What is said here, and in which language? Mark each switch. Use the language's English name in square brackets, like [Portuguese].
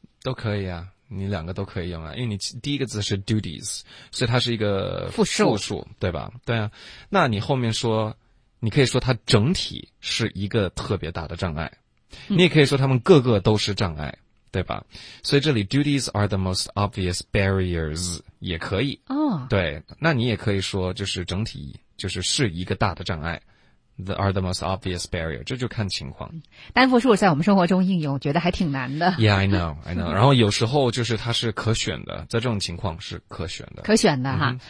[Chinese] 都可以啊。你两个都可以用啊，因为你第一个字是 duties， 所以它是一个复数，对吧？对啊，那你后面说，你可以说它整体是一个特别大的障碍，你也可以说它们各个都是障碍，对吧？所以这里 [English] duties are the most obvious barriers [Chinese] 也可以哦，对，那你也可以说就是整体就是一个大的障碍。 [English] The are the most obvious barrier， [Chinese] 这就看情况。单复数在我们生活中应用，觉得还挺难的。 [English] Yeah， I know， I know 。 [Chinese] 然后有时候就是它是可选的，在这种情况是可选的。可选的哈。